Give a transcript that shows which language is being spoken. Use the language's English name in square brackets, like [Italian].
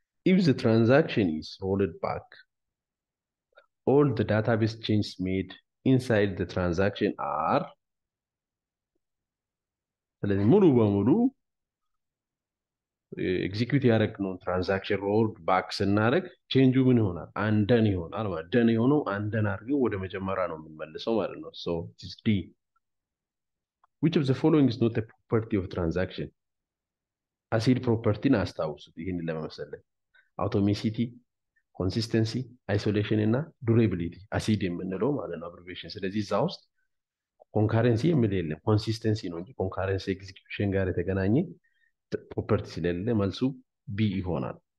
[English] If the transaction is rolled back, all the database changes made inside the transaction are [Amharic] ስለዚህ ሙሉ በሙሉ execute ያደረግነው transaction rolled back ስናደርግ change ምን ይሆናል? undone ይሆናል ማለት ነው። undone የሆነው undone አድርገው ወደ መጀመሪያ ነው የምንመለሰው ማለት ነው። [English] So it is D. Which of the following is not a property of transaction? ACID property [Amharic] ነው አስታውሱት ይሄን ለማመሰለን [English] automaticity consistency isolation and durability acid የምንለው ማለት ነው abbreviation ስለዚህ እዛ ውስጥ concurrency የምንለው consistency ነው እንጂ concurrency execution ጋር የተገናኘ property [Amharic] ስለሌለ መልሱ b ይሆናል